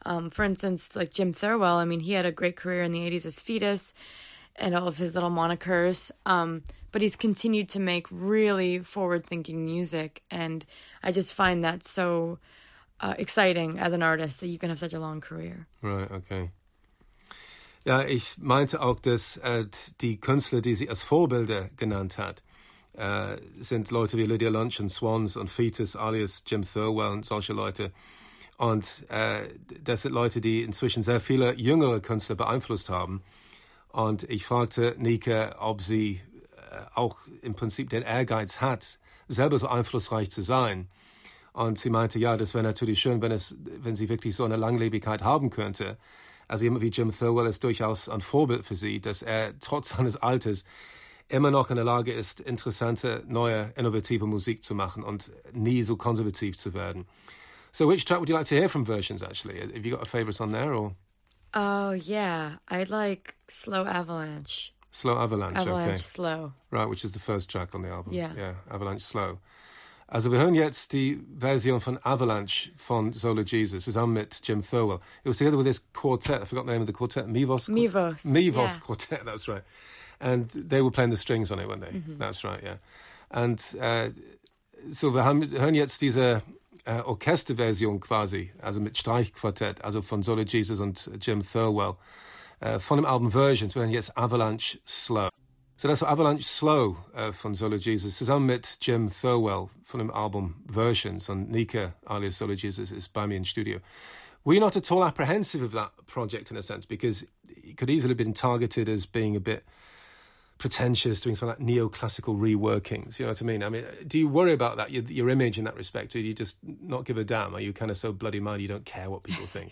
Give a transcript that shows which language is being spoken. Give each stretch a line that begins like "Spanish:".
English: For instance, like Jim Thirlwell, I mean, he had a great career in the 80s as Fetus and all of his little monikers. But he's continued to make really forward-thinking music. And I just find that so exciting as an artist, that you can have such a long career. Right, okay.
German: Ja, ich meinte auch, dass die Künstler, die sie als Vorbilder genannt hat, sind Leute wie Lydia Lunch und Swans und Fetus alias Jim Thirlwell und solche Leute. Und das sind Leute, die inzwischen sehr viele jüngere Künstler beeinflusst haben. Und ich fragte Nike, ob sie auch im Prinzip den Ehrgeiz hat, selber so einflussreich zu sein. Und sie meinte, ja, das wäre natürlich schön, wenn sie wirklich so eine Langlebigkeit haben könnte. Also jemand wie Jim Thirlwell ist durchaus ein Vorbild für sie, dass er trotz seines Alters immer noch in der Lage ist, interessante, neue, innovative Musik zu machen und nie so konservativ zu werden.
English: So which track would you like to hear from Versions, actually? Have you got a favorite on there? Or? Oh, yeah. I like Slow Avalanche. Slow Avalanche, Avalanche, okay. Avalanche Slow. Right, which is the first track on the album. Yeah. Yeah, Avalanche Slow.
German: Also wir hören jetzt die Version von Avalanche von Zola Jesus, zusammen mit Jim Thirlwell.
English: It was together with this quartet, I forgot the name of the quartet, Mivos yeah. Quartet, that's right. And they were playing the strings on it, weren't they?
German: Mm-hmm.
English: That's right, yeah. And so
German: wir hören jetzt diese Orchesterversion quasi, also mit Streichquartett, also von Zola Jesus und Jim Thirlwell. Von dem Album Versions, wir hören jetzt Avalanche Slow.
English: So that's
German: Avalanche Slow von Zola Jesus, zusammen mit Jim Thirlwell von dem Album Versions. Und Nika, alias Zola Jesus, ist bei mir in Studio.
English: Were you not at all apprehensive of that project, in a sense? Because it could easily have been targeted as being a bit pretentious, doing something like neoclassical reworkings, you know what I mean? I mean, do you worry about that, your image in that respect? Or do you just not give a damn? Are you kind of so bloody mad you don't care what people think?